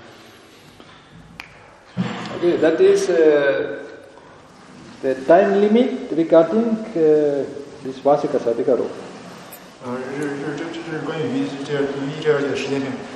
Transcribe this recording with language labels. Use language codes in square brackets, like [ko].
[zh] 做雨衣那个布的话，然后他最后得到那个布，然后这个就是尼萨切巴吉利亚。然后如果是他在那个六月圆日到七月圆日之间，这个新月日的那一天，或者是在那天之前，那个就是做那个那个，因为他得到那个布做雨衣，比如穿上个雨衣，好，那个尼萨切巴吉利亚。 [en] Okay, that is the time limit regarding this Vasika Sadhika Rupa. [zh] 这是关于这二节的时间性。